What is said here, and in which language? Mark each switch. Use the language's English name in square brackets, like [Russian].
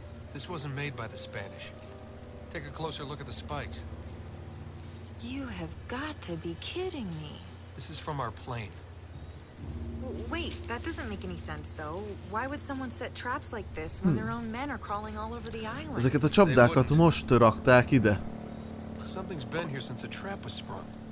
[English] This wasn't made by the Spanish. Take a closer look at the spikes. You have got to be kidding me. This is from our plane. Wait, that doesn't make any sense though. Why would someone set traps like this when their own men are crawling all over the island? [Hungarian] Ezeket a csapdákat most rakták ide. [English] Something's been here since the trap was sprung.